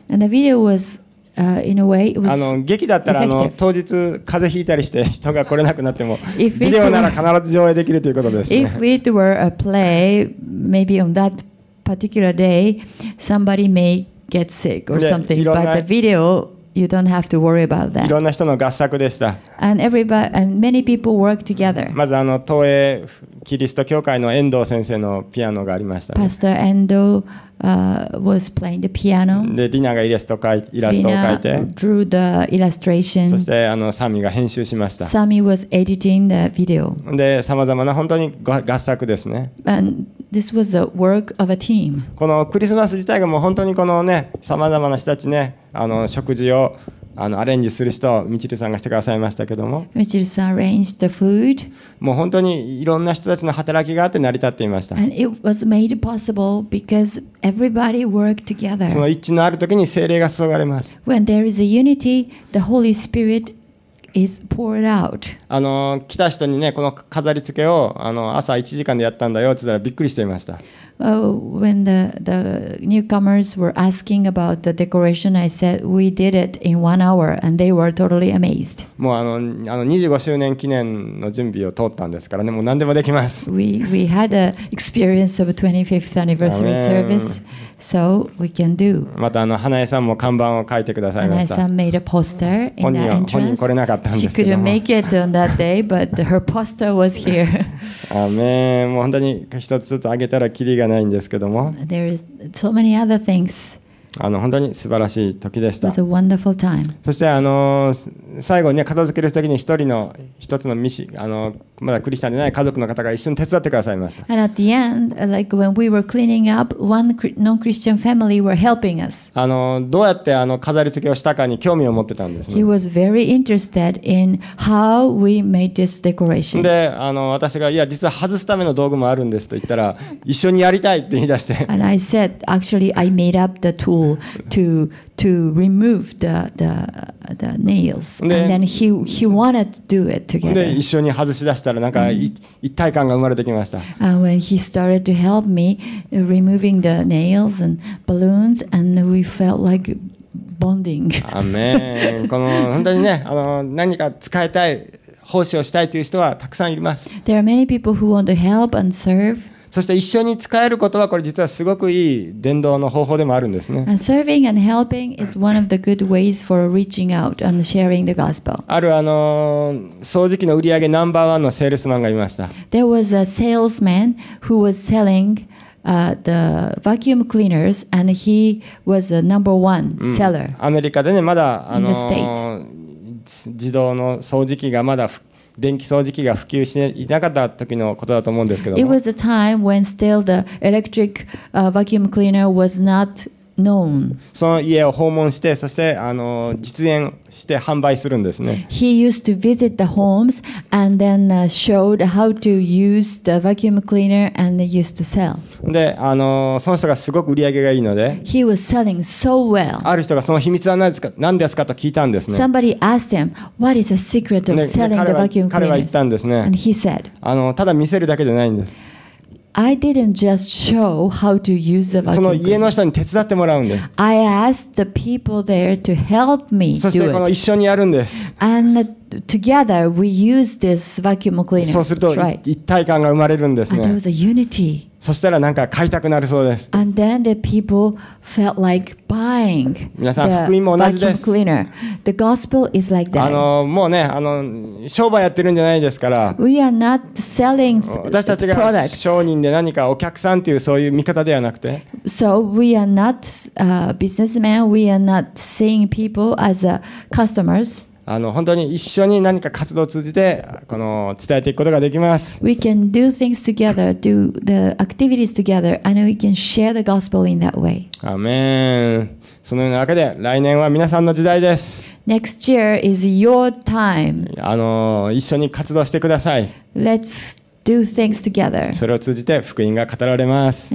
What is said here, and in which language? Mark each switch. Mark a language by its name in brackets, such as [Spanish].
[English] And the video was in a way it was effective. [Japanese] 劇だったら当日風邪ひいたりして人が来れなくなってもビデオなら必ず上映できるということですね。 [English] If it were a play, maybe on that particular day, somebody may get sick or something, but the video you don't have to worry about that. [Japanese] いろんな人の合作でした。 [English] And everybody, and many people work together. [Japanese] まず東映キリスト教会の遠藤先生のピアノがありました、ね。 [English] Pastor Endo was playing the piano. [Japanese] でリナがイラストを描いて、 [English] Lina drew the illustration. [Japanese] そしてサミが編集しました。 [English] Sami was editing the video. [Japanese] でさまざまな本当に合作ですね。 [English] And this was a work of a team. [Japanese] このクリスマス自体がもう本当にこのねさまざまな人たちね食事をアレンジする人ミチルさんがしてくださいましたけども、 [English] ミチルさん arranged the food. [Japanese] もう本当にいろんな人たちの働きがあって成り立っていました。 [English] And it was made possible because everybody worked together. [Japanese] その一致のある時に聖霊が注がれます。 [English] When there is a unity, the Holy Spirit is poured out. [Japanese] 来た人にねこの飾り付けを朝1時間でやったんだよって言ったらびっくりしていました。 [English] When the newcomers were asking about the decoration, I said we did it in one hour, and they were totally amazed. [Japanese] もう25周年記念の準備を通ったんですからね、もう何でもできます。 [English] We had an experience of 25th anniversary service, so we can do. [Japanese] また花江さんも看板を書いてくださいました。 [English] 花江さん made a poster in the entrance. [Japanese] 本人来れなかったんですけども。 [English] She couldn't make it on that day, but her poster was here. [Japanese] アメン。もう本当に一つずつ上げたらキリがないんですけども。 [English] There is so many other things. [Japanese] 本当に素晴らしい時でした。 [English] It was a wonderful time. [Japanese] そして最後に、ね、片付ける時に一つのミシ、まだクリスチャンでない家族の方が一緒に手伝ってくださいました。 [English] And at the end, like when we were cleaning up, one non-Christian family were helping us. [Japanese] どうやって飾り付けをしたかに興味を持ってたんですね。 [English] He was very interested in how we made this decoration. [Japanese] で、私が、いや、実は外すための道具もあるんですと言ったら、一緒にやりたいって言い出して。 [English] And I said, actually, I made up the tool to remove the nails. And then he wanted to do it together. [Japanese] で、一緒に外し出したらなんか一体感が生まれてきました。 [English] When he started to help me removing the nails and balloons, and we felt like bonding. [Japanese] アメン。この本当にね、あの何か使いたい、奉仕をしたいという人はたくさんいます。 [English] There are many people who want to help and serve. [Japanese] そして一緒に使えることはこれ実はすごくいい伝道の方法でもあるんですね。 [English] Serving and helping is one of the good ways for reaching out and sharing the gospel. [Japanese] ある掃除機の売り上げナンバーワンのセールスマンがいました。 [English] There was a salesman who was selling the vacuum cleaners and he was the number one seller. [Japanese] アメリカでねまだ自動の掃除機がまだ電気掃除機が普及していなかった時のことだと思うんですけども [English] 。It was a time when still the electric vacuum cleaner was not known. [Japanese] その家を訪問して、そして実演して販売するんですね。 [English] He used to visit the homes and then showed how to use the vacuum cleaner and used to sell. [Japanese] で、その人がすごく売り上げがいいので、 [English] He was selling so well. [Japanese] ある人がその秘密は何ですかと聞いたんですね。 [English] Somebody asked him, "What is the secret of selling the vacuum cleaner?" [Japanese] 彼は言ったんですね。 [English] And he said, [Japanese] ただ見せるだけじゃないんです。 [English] I didn't just show how to use the vacuum. [Japanese] その家の人に手伝ってもらうんです。 [English] I asked the people there to help me do it. [Japanese] そしてこの一緒にやるんです。 [English] And together we use this vacuum cleaner. [Japanese] そうすると一体感が生まれるんですね。 [English] And there was a unity. [Japanese] そしたらなんか買いたくなるそうです。 [English] And then the people felt like buying the vacuum cleaner. The gospel is like that. [Japanese] もうね、商売やってるんじゃないですから。 [English] We are not selling products. [Japanese] 私たちが商人で何かお客さんっていうそういう見方ではなくて。 [English] So we are not businessmen. We are not seeing people as customers. [Japanese] 本当に一緒に何か活動を通じてこの伝えていくことができます。 [English] We can do things together, do the activities together, and we can share the gospel in that way. [Japanese] アメン。そのようなわけで来年は皆さんの時代です。 [English] Next year is your time. [Japanese] 一緒に活動してください。 [English] Let's do things together. [Japanese] それを通じて福音が語られます。